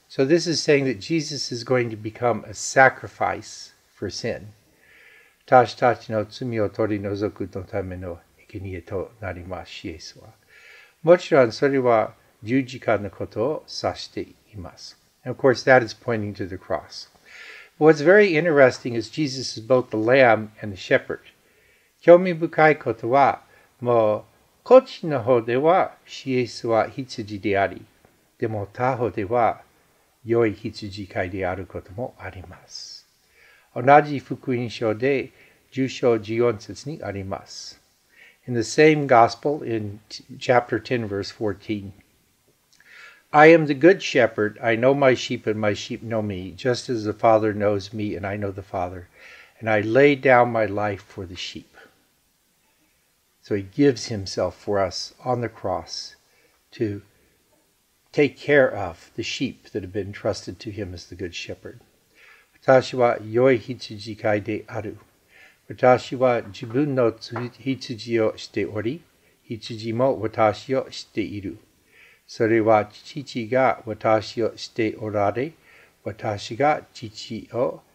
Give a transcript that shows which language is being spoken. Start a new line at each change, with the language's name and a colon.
English: So this is saying that Jesus is going to become a sacrifice for sin.
Japanese: 私たちの罪を取り除くのための生贄となります、イエスは。もちろんそれは十字架のことを指しています。
English: And of course that is pointing to the cross. What's very interesting is Jesus is both the lamb and the shepherd.
Japanese: 興味深いことは、もうこっちの方ではイエスは羊であり、でも他方では良い羊飼いであることもあります。同じ福音書で10章14節にあります。
English: In the same gospel, in chapter 10, verse 14,I am the good shepherd. I know my sheep and my sheep know me, just as the Father knows me and I know the Father. And I lay down my life for the sheep. So he gives himself for us on the cross to take care of the sheep that have been entrusted to him as the good shepherd.
Japanese: 私は良い羊飼いである。私は自分の羊を知っており、羊も私を知っている。それは父が私をしておられ、私が父を